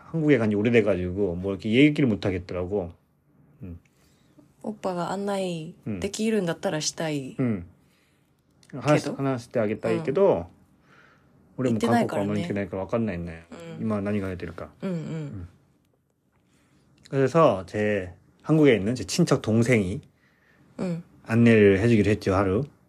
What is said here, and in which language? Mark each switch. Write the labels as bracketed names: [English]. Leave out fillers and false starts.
[Korean] 한국에 간지 오래돼가지고 뭐 이렇게 얘기를 못 하겠더라고. 오빠가 안내 [Japanese] できるんだったらしたい. 話してあげたいけど [Korean] 응. [Japanese] けど 俺も韓国はあまり行けないから分かんないね。今何が言ってるか。 [Korean] 그래서제한국에있는제친척동생이안내를해주기로했죠하루